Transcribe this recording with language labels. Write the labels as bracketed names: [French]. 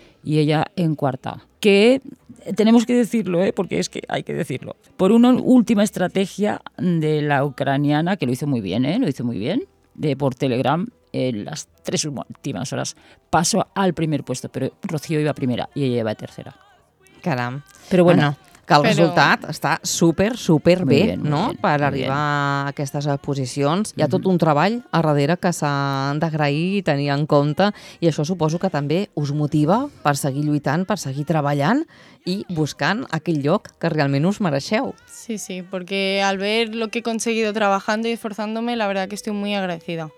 [Spanish] Y ella en cuarta. Que tenemos que decirlo, porque es que hay que decirlo. Por una última estrategia de la ucraniana, que lo hizo muy bien, de por Telegram, en las tres últimas horas pasó al primer puesto, pero Rocío iba primera y ella iba tercera. [Catalan] Caram. [Spanish] Pero bueno. [Catalan] que el resultat està super, super bé, no? Per arribar a aquestes posicions. Hi ha tot un treball a darrere que s'ha d'agrair i tenir en compte, i això suposo que també us motiva per seguir lluitant, per seguir treballant i buscant aquell lloc que realment us mereixeu. [Spanish] Sí, sí, porque al ver lo que he conseguido trabajando y esforzándome, la verdad que estoy muy agradecida.